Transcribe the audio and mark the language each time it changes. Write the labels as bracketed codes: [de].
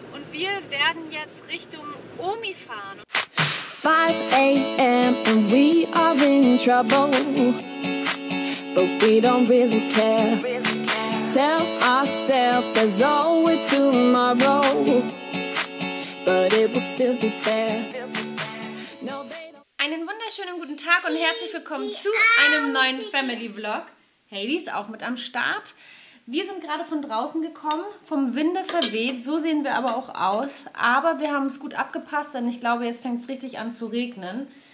[de] wir werden jetzt Richtung Omi fahren. [en] 5 a.m. and we are in trouble, but we don't really care. Tell ourselves there's always tomorrow, but it will still be there. [de] Einen wunderschönen guten Tag und herzlich willkommen zu einem neuen Family Vlog. Heidi ist auch mit am Start. Wir sind gerade von draußen gekommen, vom Winde verweht, so sehen wir aber auch aus. Aber wir haben es gut abgepasst, denn ich glaube, jetzt fängt es richtig an zu regnen.